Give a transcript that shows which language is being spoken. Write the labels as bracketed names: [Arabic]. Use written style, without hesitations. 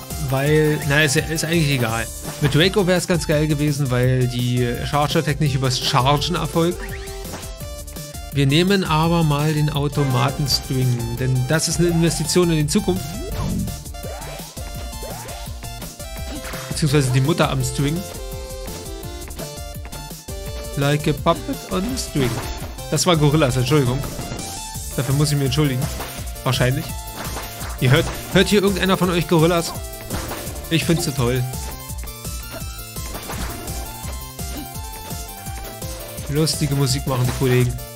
[German] Weil, naja, ist eigentlich egal. Mit Draco wäre es ganz geil gewesen, weil die Charge Attack nicht übers Chargen erfolgt. Wir nehmen aber mal den Automaten-String, denn das ist eine Investition in die Zukunft. Beziehungsweise die Mutter am String. [English] Like a puppet on a string. [German] Das war Gorillas, Entschuldigung. Dafür muss ich mich entschuldigen. Wahrscheinlich. Ihr hört hier irgendeiner von euch Gorillas? Ich find's so toll. Lustige Musik machen die Kollegen.